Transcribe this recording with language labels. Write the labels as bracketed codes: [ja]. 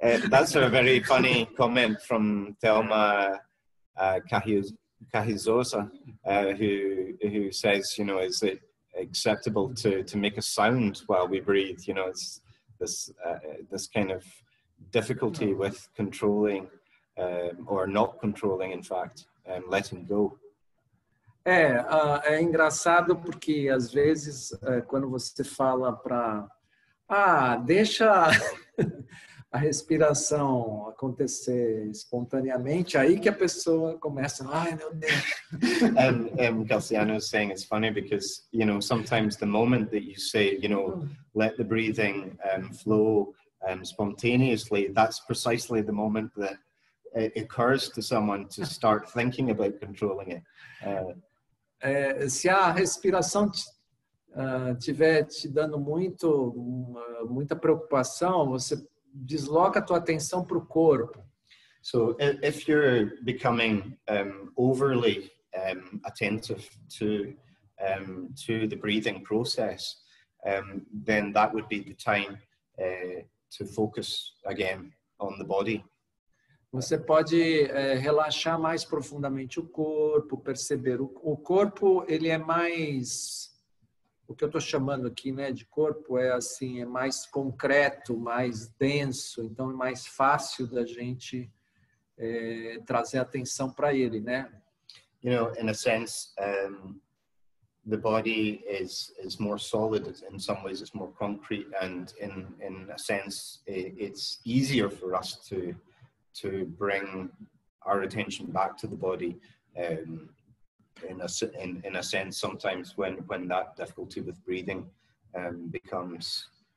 [en] That's a very funny comment from Thelma Carrizosa, who says, you know, is it acceptable to make a sound while we breathe? You know, it's this kind of difficulty with controlling or not controlling, in fact, letting go. [pt] É engraçado porque às vezes quando você fala para deixa a respiração acontecer espontaneamente, aí que a pessoa começa, ai meu Deus. [en] Cassiano is saying it's funny because, you know, sometimes the moment that you say, you know, let the breathing flow spontaneously, that's precisely the moment that it occurs to someone to start thinking about controlling it. [pt] Se a respiração tiver te dando muita preocupação, você desloca a tua atenção para o corpo. [en] So, if you're becoming overly attentive to the breathing process, then that would be the time to focus again on the body. [pt] Você pode relaxar mais profundamente o corpo, perceber o corpo, ele é mais, o que eu estou chamando aqui, né, de corpo, é assim, é mais concreto, mais denso, então é mais fácil da gente trazer atenção para ele, né? [en] You know, in a sense, the body is more solid, in some ways it's more concrete, and in a sense, it's easier for us to bring our attention back to the body in a sense sometimes when that difficulty with breathing becomes